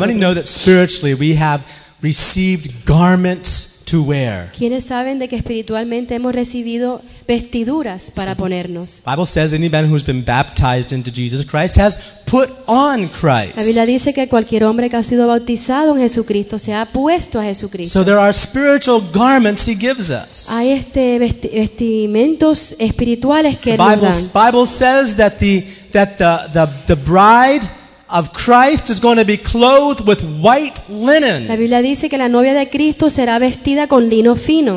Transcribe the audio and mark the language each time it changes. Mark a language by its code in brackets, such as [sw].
[en] How many know that spiritually we have received garments to wear? [es] ¿Quiénes saben de que espiritualmente hemos recibido vestiduras para ponernos? [en] The Bible says any man who's been baptized into Jesus Christ has put on Christ. [es] La Biblia dice que cualquier hombre que ha sido bautizado en Jesucristo se ha puesto a Jesucristo. [en] So there are spiritual garments He gives us. [es] Hay vestimentos espirituales que Él nos da. [en] The Bible says that the bride of Christ is going to be clothed with white linen. [es] La Biblia dice que la novia de Cristo será vestida con lino fino.